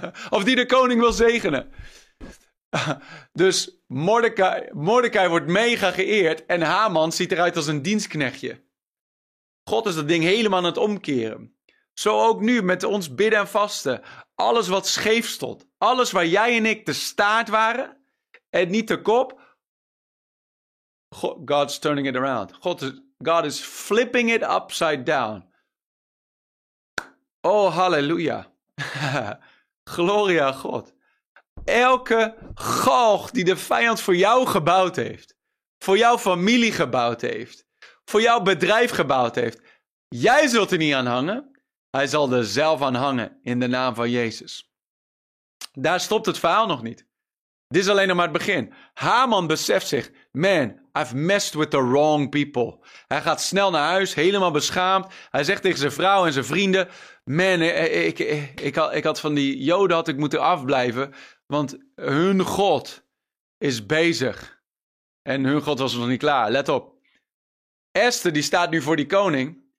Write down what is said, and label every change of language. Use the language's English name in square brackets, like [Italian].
[Dutch] Of die de koning wil zegenen. Dus Mordekai wordt mega geëerd en Haman ziet eruit als een dienstknechtje. God is dat ding helemaal aan het omkeren. Zo ook nu met ons bidden en vasten. Alles wat scheef stond, alles waar jij en ik de staart waren en niet de kop, [English] God's turning it around. God is flipping it upside down. [Dutch] Oh, halleluja. Gloria God. Elke galg die de vijand voor jou gebouwd heeft, voor jouw familie gebouwd heeft, voor jouw bedrijf gebouwd heeft, jij zult er niet aan hangen. Hij zal er zelf aan hangen in de naam van Jezus. Daar stopt het verhaal nog niet. Dit is alleen nog maar het begin. Haman beseft zich, man, [English] I've messed with the wrong people. [Dutch] Hij gaat snel naar huis, helemaal beschaamd. Hij zegt tegen zijn vrouw en zijn vrienden, man, ik had van die Joden had ik moeten afblijven, want hun God is bezig. En hun God was nog niet klaar, let op. Esther, die staat nu voor die koning.